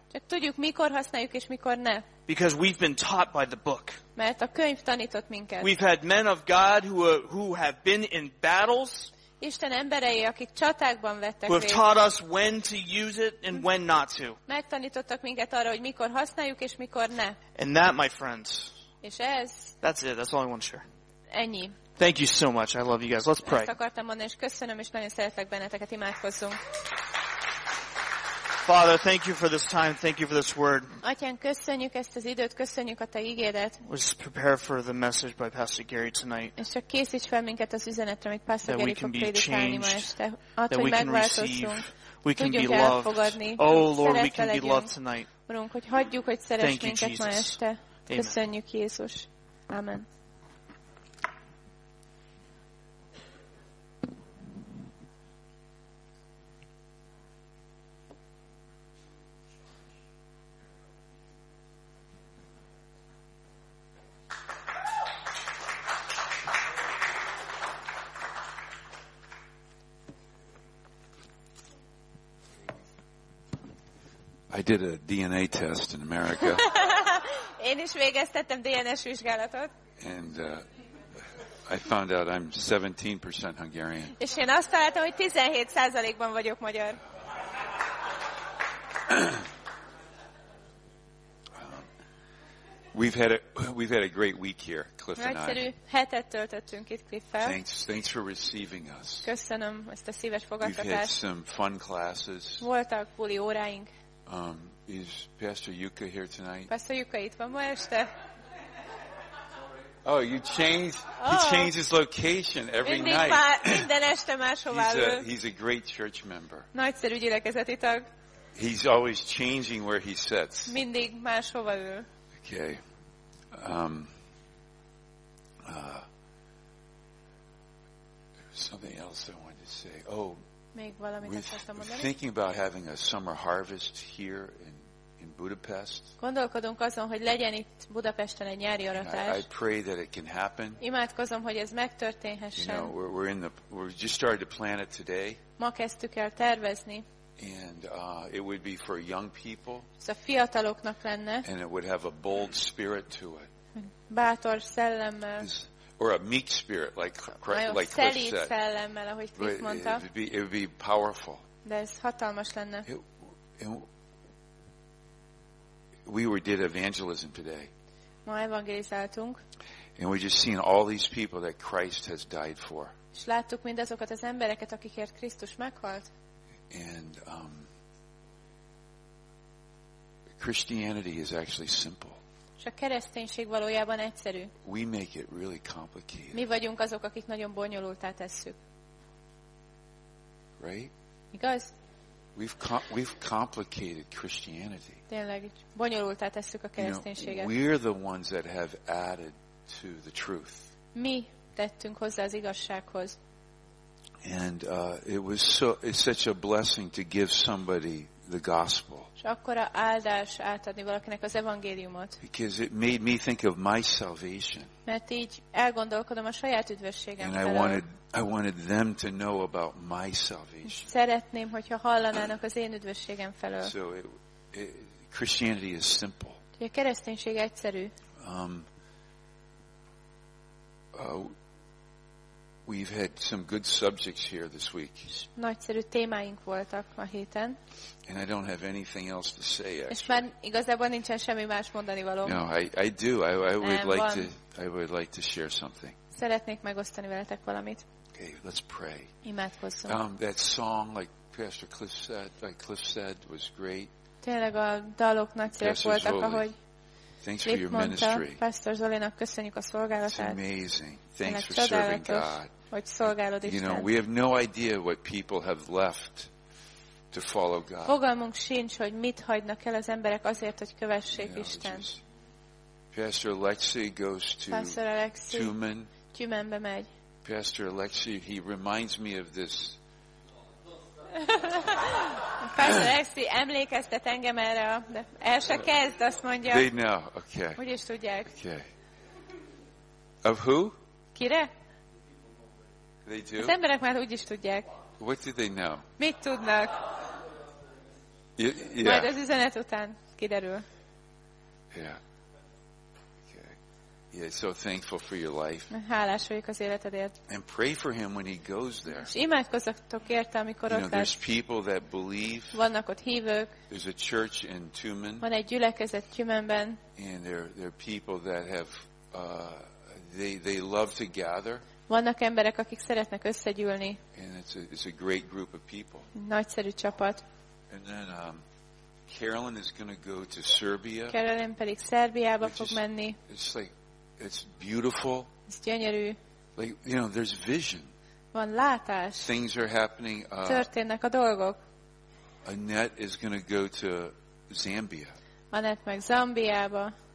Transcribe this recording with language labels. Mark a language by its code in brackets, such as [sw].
[hu] Csak tudjuk, mikor használjuk és mikor ne. [en] Because we've been taught by the book. [hu] Mert a könyv tanított minket. [en] We've had men of God who have been in battles. [hu] Isten emberei, akik csatákban vettek részt. [en] Who have taught us when to use it and when not to. [hu] Megtanítottak minket arra, hogy mikor használjuk és mikor ne. [en] And that, my friends. [hu] És ez. [en] That's it. That's all I want to share. [hu] Ennyi. [en] Thank you so much. I love you guys. Let's pray. [hu] Ezt akartam mondani, és köszönöm, és nagyon szeretlek benneteket. Imádkozzunk. [en] Father, thank you for this time. Thank you for this word. [hu] Atyán, köszönjük ezt az időt, köszönjük a te ígédet. [en] Let's prepare for the message by Pastor Gary tonight. [hu] És csak készíts fel minket az üzenetre, amit Pastor Gary fog prédikálni ma este. [en] That we can receive. We can be loved. [hu] Elfogadni. [en] Oh Lord, we can be loved tonight. [hu] Urunk, hogy hagyjuk, hogy szeress minket ma este. Köszönjük, Jézus. Amen. [en] I did a DNA test in America. [hu] Én is végeztettem DNS vizsgálatot. [en] And I found out I'm 17% Hungarian. [hu] És én azt találtam, hogy 17%-ban vagyok magyar. [en] We've had a great week here, Cliff and I. [hu] Nagyszerű hetet töltöttünk itt Cliffel. [en] Thanks for receiving us. [hu] Köszönöm ezt a szíves fogadtatást. [en] We've had some fun classes. [hu] Voltak buli óráink. [en] Is Pastor Yuka here tonight? [hu] Pastor Yuka itt van ma este. [en] Oh, you changed. He changes location every [hu] mindig [en] night. [hu] Minden este máshová lő. [en] He's a great church member. [hu] Nagyszerű gyülekezeti tag. [en] He's always changing where he sits. [hu] Mindig máshová lő. [en] Okay. Something else I wanted to say. Oh. We're thinking about having a summer harvest here in Budapest. [hu] Gondolkodunk azon, hogy legyen itt Budapesten egy nyári aratás. [en] I pray that it can happen. [hu] Imádkozom, hogy ez megtörténhessen. [en] You know, we're just started to plan it today. [hu] Ma kezdtük el tervezni. [en] And it would be for young people. [hu] Ez a fiataloknak lenne. [en] And it would have a bold spirit to it. [hu] Bátor szellemmel. [en] Or a meek spirit, like Christ said. [hu] Szellemmel, ahogy Krisz mondta. [en] It would be powerful. [hu] De ez hatalmas lenne. [en] We did evangelism today. [hu] Ma evangelizáltunk. [en] And we just seen all these people that Christ has died for. [hu] És láttuk mindazokat az embereket, akikért Krisztus meghalt. [en] And Christianity is actually simple. [hu] És a kereszténység valójában egyszerű. [en] We make it really complicated. [hu] Mi vagyunk azok, akik nagyon bonyolulttá tesszük. [en] Right? [hu] Igaz? [en] We've complicated Christianity. [hu] Tényleg, bonyolulttá tesszük a kereszténységet. [en] You know, we're the ones that have added to the truth. [hu] Mi tettünk hozzá az igazsághoz. [en] And it's such a blessing to give somebody the gospel. [hu] És akkora áldás átadni valakinek az evangéliumot. [en] Because it made me think of my salvation. [hu] Mert így elgondolkodom a saját üdvösségemről. [en] And I wanted them to know about my salvation. [hu] Szeretném, hogyha hallanának az én üdvösségem felől. [en] So Christianity is simple. [hu] A kereszténység egyszerű. [en] We've had some good subjects here this week. [hu] Nagyszerű témáink voltak ma héten. [en] And I don't have anything else to say. [hu] És már igazából nincsen semmi más mondani való. [en] No, I do. I would like to share something. [hu] Szeretnék megosztani veletek valamit. [en] Okay, let's pray. [hu] Imádkozzunk. [en] That song, like Pastor Cliff said, was great. [hu] Tényleg a dalok nagyszerűek voltak, ahogy. [en] Thanks for your ministry. [hu] Pastor Zolinak köszönjük a szolgálatát. [en] It's amazing. Thanks for serving God. [hu] Hogy szolgálod Istent. [en] You know, we have no idea what people have left to follow God. [hu] Fogalmunk sincs, hogy mit hagynak el az emberek azért, hogy kövessék Istent. [en] Pastor Alexei goes to Tumen. [hu] Tumenbe megy. [en] Pastor Alexei, he reminds me of this. [hu] Pastor Alexei emlékeztet engem erre, de el se kezd, azt mondja. [en] They know, okay. [hu] Úgy is tudják. [en] Okay. Of who? [hu] Kire? [en] They do? [hu] Az emberek már úgy is tudják. [en] What do they know? [hu] Mit tudnak? [en] Yeah. [hu] Majd az üzenet után kiderül. [en] Yeah. Yeah, so thankful for your life. [hu] Hálás vagyok az életedért. [en] And pray for him when he goes there. [hu] És imádkozzatok érte, amikor ott lesz. [en] There's people that believe. [hu] Vannak ott hívők. [en] There's a church in Tumen. [hu] Van egy gyülekezet Tumenben. [en] And there are people that have they love to gather. [hu] Vannak emberek, akik szeretnek összegyűlni. [en] And it's a great group of people. [hu] Nagyszerű csapat. [en] And then Carolyn is going to go to Serbia. [hu] Carolyn pedig Szerbiába fog menni. [en] It's beautiful. [hu] Ez gyönyörű. [en] Like, you know, there's vision. [hu] Van látás. [en] Things are happening. [hu] Történnek a dolgok. [en] Annette is going to go to Zambia. [hu] Annette meg Zambiába.